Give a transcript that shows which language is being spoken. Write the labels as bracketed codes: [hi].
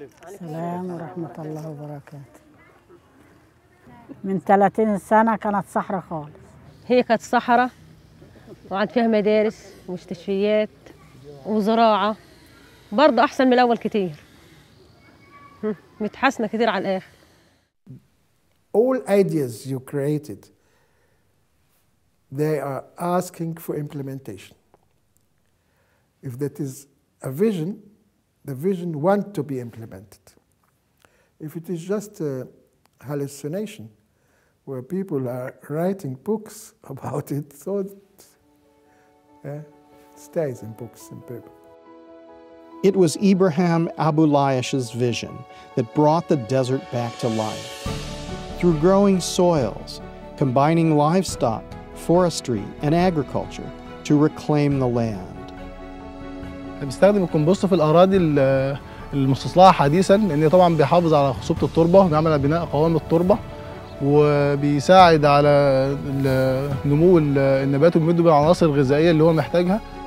[ar] السلام ورحمة الله وبركاته من 30 سنة كانت صحراء خالص هي كانت صحراء وعند فيها مدارس ومستشفيات وزراعة برضه أحسن من الأول كتير متحسنة كتير على الآخر [en] All ideas you created, they are asking for implementation. If that is a vision, the vision want to be implemented. If it is just a hallucination, where people are writing books about it, so it stays in books and paper. It was Ibrahim Aboulayesh's vision that brought the desert back to life. Through growing soils, combining livestock, forestry, and agriculture to reclaim the land. [ar] بنستخدم الكومبوست في الاراضي المستصلحه حديثا لان طبعا بيحافظ على خصوبه التربه بيعمل بناء قوام التربه وبيساعد على نمو النبات وبيمده بالعناصر الغذائيه اللي هو محتاجها.